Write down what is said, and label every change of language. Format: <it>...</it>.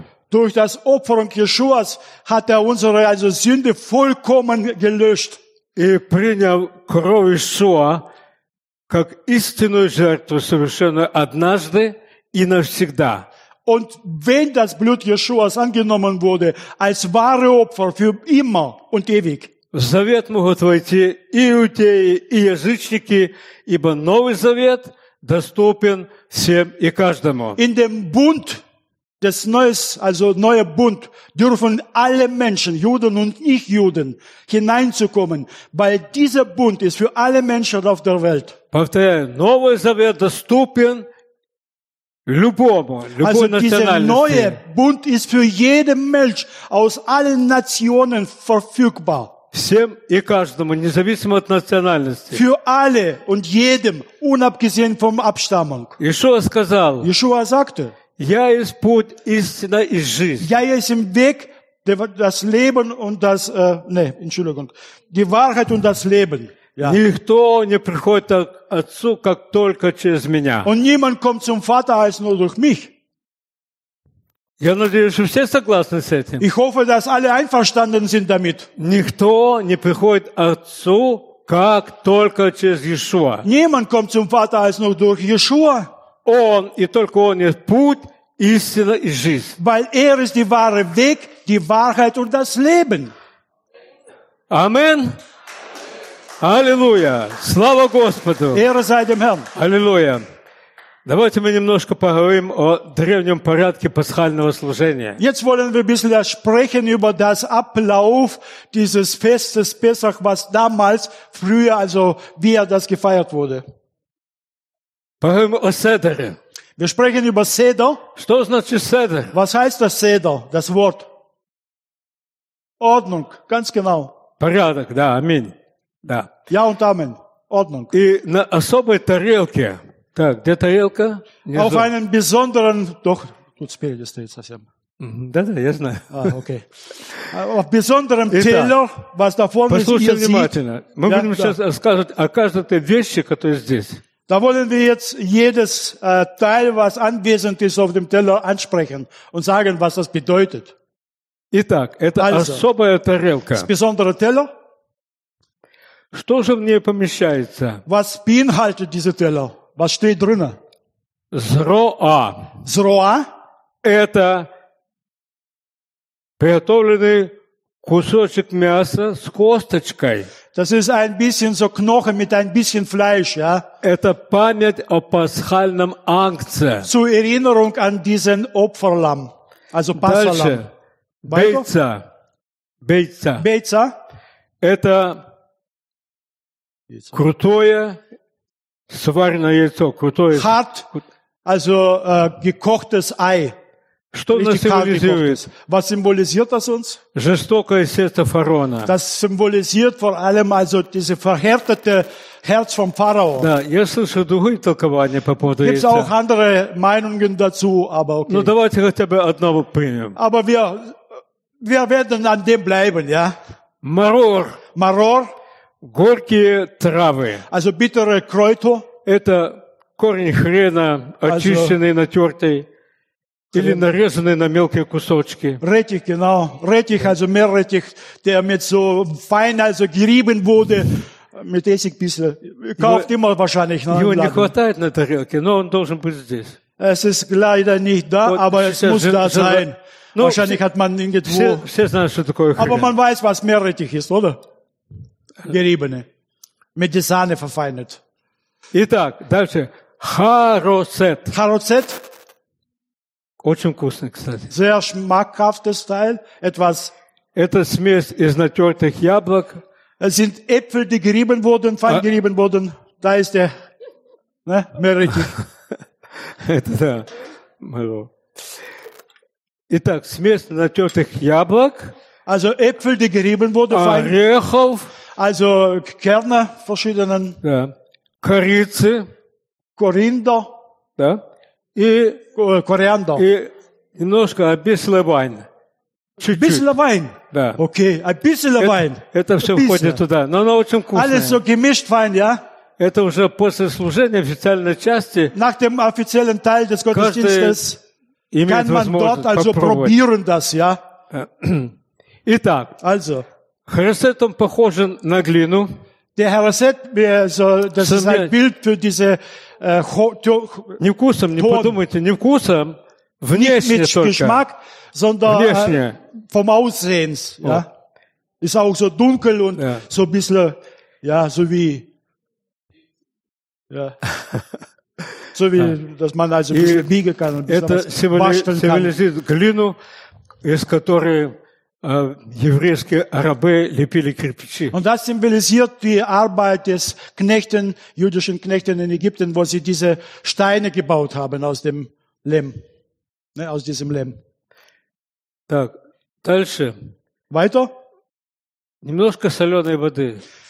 <de>Durch das Opfer Jeschuas hat er unsere also Sünde vollkommen gelöscht.</de> <ru>И принял кровь Иешуа как истинную жертву, совершенную однажды и навсегда.</ru> <de>Und wenn das Blut Jeschuas angenommen wurde, als wahre Opfer für immer und ewig.</de> <ru>В завет могут войти и иудеи, и язычники, ибо Новый Завет доступен всем и каждому.</ru> <de>In dem Bund, des Neues, also neuer Bund, dürfen alle Menschen, Juden und Nichtjuden, hineinzukommen, weil dieser Bund ist für alle Menschen auf der Welt.</de> <ru>Повторяю, Новый Завет доступен любому,</ru> <de>also dieser neue Bund ist für jeden Mensch aus allen Nationen verfügbar.</de> <ru>Всем и каждому, независимо от национальности.</ru> <de>Für alle und jedem, unabgesehen vom Abstammung.</de> <ru>Иешуа сказал.</ru> <de>Иешуа sagte.</de> <ru>Я есть путь, истина и жизнь. Я есть</ru> <de>im Weg, das Leben und das, Entschuldigung, die Wahrheit und das Leben. Ja.</de> <ru>Никто не приходит к Отцу, как только через меня.</ru> <de>Und niemand kommt zum Vater als nur durch mich.</de> <ru>Я надеюсь, что все согласны с этим.</ru> <de>Ich hoffe, dass alle einverstanden sind damit.</de> <ru>Никто не приходит к Отцу, как только через Иешуа.</ru> <de>Niemand kommt zum Vater als nur durch Иешуа.</de> <ru>Он и только он есть путь, истина и жизнь.</ru> <de>Weil ist der wahre Weg, die Wahrheit und das Leben.</de> <ru>Amen. Аллилуйя! Слава Господу! Аллилуйя! Давайте мы немножко поговорим о древнем порядке пасхального служения.</ru> <de>Jetzt wollen wir ein bisschen sprechen über das Ablauf dieses Festes Pesach, was damals früher, also wie das gefeiert wurde.</de> <ru>Поговорим о седере.</ru> <de>Wir sprechen über Seder.</de> <ru>Что значит седер?</ru> <de>Was heißt das Seder, das Wort? Ordnung, ganz genau.</de> <ru>Порядок, да, аминь. Да.</ru> <de>Ja und Amen. Ordnung.</de> <ru>И на особой тарелке. Так, где тарелка? Внизу.</ru> <de>Auf einem besonderen, doch,</de> <ru>тут спереди стоит совсем. Да-да, я знаю. А, окей.</ru> <de>Auf besonderem Teller, was da vorne ist, ihr seht.</de> <ru>Послушайте внимательно. Мы будем сейчас рассказывать о каждой вещи, которая здесь.</ru> <de>Da wollen wir jetzt jedes Teil, was anwesend ist, auf dem Teller ansprechen und sagen, was das bedeutet.</de> <ru>Итак, это</ru> <de>also,</de> <ru>особая тарелка.</ru> <de>Das besondere Teller.</de> <ru>Что же в ней помещается?</ru> <de>Was beinhaltet diese Teller? Was steht drin?</de> <ru>Зроа. Зроа. Это приготовленный кусочек мяса с косточкой.</ru> <de>Das ist ein bisschen so Knochen mit ein bisschen Fleisch, ja?</de> <ru>Это память о пасхальном агнце.</ru> <de>Zur Erinnerung an diesen Opferlamm, also Passahlamm.</de> <ru>Дальше. Бейца. Бейца. Бейца. Это крутое сваренное яйцо, крутое.</ru> <de>Hart, also gekochtes Ei.</de> <ru>Что нас символизирует?</ru> <de>Was symbolisiert das uns?</de> <ru>Жестокое сердце фараона.</ru> <de>Das symbolisiert vor allem also diese verhärtete Herz vom Pharao.</de> <ru>Да, я слышу другие толкования по поводу яйца.</ru> <de>Gibt's auch andere Meinungen dazu, aber okay.</de> <ru>Ну давайте хотя бы одно примем.</ru> <de>Aber wir werden an dem bleiben, ja? Maror. Maror.</de> <ru>Горькие травы.</ru> <de>Also bittere Kräuter.</de> <ru>Это корень хрена, очищенный,</ru> <de>also,</de> <ru>натертый. Или нарезанный на мелкие кусочки.</ru> <de>Реттих, genau. Реттих, also mehr Реттих, der mit so fein, also gerieben wurde, mit Essig bisschen. Kauft immer wahrscheinlich.</de> <ru>Его не хватает на тарелке, но он должен быть здесь.</ru> <de>Es ist leider nicht da, aber es muss da sein. Wahrscheinlich hat man irgendwo.</de> <ru>Все знают, что такое хрен.</ru> <de>Aber man weiß, was mehr Реттих ist, oder? Geriebene. Mit der Sahne verfeinert.</de> <ru>Итак, дальше. Харосет. Харосет. Очень вкусный, кстати. Sehr schmackhaftes Teil, etwas. Это смесь из натертых яблок. Es sind Äpfel, die gerieben wurden, fein gerieben wurden.</ru> <de>Da ist der, ne, Meriti.</de> <ru>Это да, Маро. Итак, смесь натертых яблок. Also Äpfel, die gerieben wurden, fein. Орехов. Also Kerne verschiedenen. Да. Корицы. Кориандр. Да. И кориандр. И немножко обесила вайн. Чуть-чуть. Обесила вайн? Да. Окей, обесила вайн. Это все входит туда, но оно очень вкусное.</ru> <de>Alles so gemischt fein, ja?</de> <ru>Это уже после служения официальной части.</ru> <de>Nach dem offiziellen Teil des Gottesdienstes kann man dort also probieren das, ja?</de> <ru>Итак.</ru> <de>Also.</de> <ru>Харосет, он похож на глину.</ru> <de>Der Harasset, also, das ist ein Bild für diese</de> <ru>Не вкусом, не подумайте, не вкусом, внешне только.</ru> <de>Geschmack, sondern</de> <ru>внешне.</ru> <de>Vom Aussehen. Oh. Ja? Ist auch so dunkel und yeah. So ein bisschen, ja, so wie, ja. So wie, dass man also ein bisschen biegen kann und ein bisschen basteln kann.</de> <ru>Это символизирует глину, из которой еврейские арабы лепили кирпичи.</ru> <de>Und das symbolisiert die Arbeit des Knechten, jüdischen Knechten in Ägypten, wo sie diese Steine gebaut haben aus dem Lehm. Ne, aus diesem Lehm.</de> <ru>Так, дальше.</ru> <de>Weiter.</de> <ru>Немножко соленой воды.</ru>